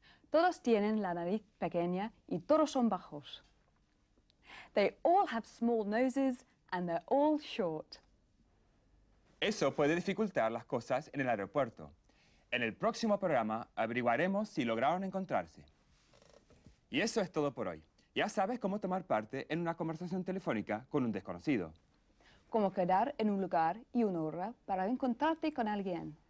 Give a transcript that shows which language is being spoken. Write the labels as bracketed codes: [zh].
[es] Todos tienen la nariz pequeña y todos son bajos. [en] They all have small noses and they're all short. [es] Eso puede dificultar las cosas en el aeropuerto. En el próximo programa averiguaremos si lograron encontrarse. Y eso es todo por hoy. Ya sabes cómo tomar parte en una conversación telefónica con un desconocido. Cómo quedar en un lugar y una hora para encontrarte con alguien.